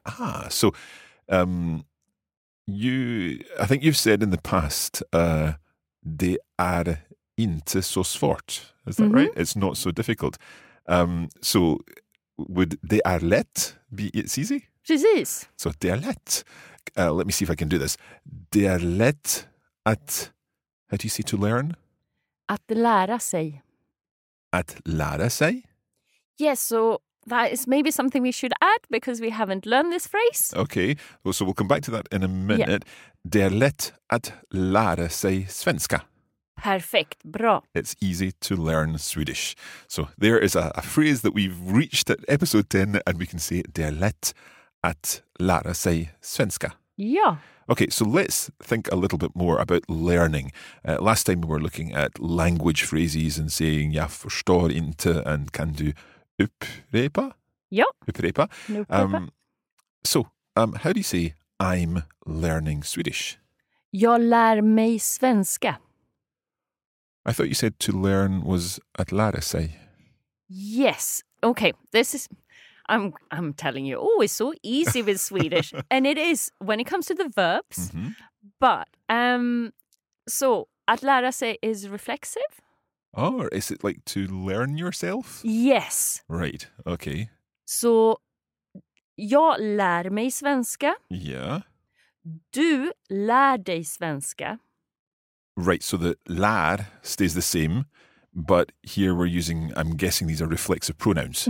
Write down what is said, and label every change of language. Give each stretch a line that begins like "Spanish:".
English: Ah, so I think you've said in the past,
Swedish: det är inte så svårt.
English: Is that right? It's not so difficult. So would
Swedish: det är lätt
English: be it's easy?
Swedish: Precis. So det är lätt.
English: Let me see if I can do this.
Swedish: Det är lätt att...
English: How do you say to learn?
Swedish: Att lära sig. Att lära sig?
English: Yes, so that is maybe something we should add because we haven't learned this phrase. Okay, well, so we'll come back to that in a minute. Yeah.
Swedish: Det är lätt att lära sig svenska. Perfekt, bra.
English: It's easy to learn Swedish. So there is a phrase that we've reached at episode 10 and we can say
Swedish: det är lätt att lära sig svenska. Ja.
English: Okay, so let's think a little bit more about learning. Last time we were looking at language phrases and saying
Swedish: "jag förstår inte"
English: and
Swedish: "kan du upprepa?" Ja. Upprepa.
English: So, how do you say "I'm learning Swedish"?
Swedish: Jag lär mig svenska.
English: I thought you said to learn was
Swedish: att lära sig.
English: Yes, Okay, this is... I'm telling you, oh, it's so easy with Swedish. And it is when it comes to the verbs. Mm-hmm. But, so,
Swedish: att lära sig
English: is reflexive. Oh, is it like to learn yourself? Yes. Right, okay.
Swedish: So, jag lär mig svenska.
English: Yeah.
Swedish: Du lär dig svenska.
English: Right, so the lär stays the same, but here we're using, I'm guessing these are reflexive pronouns.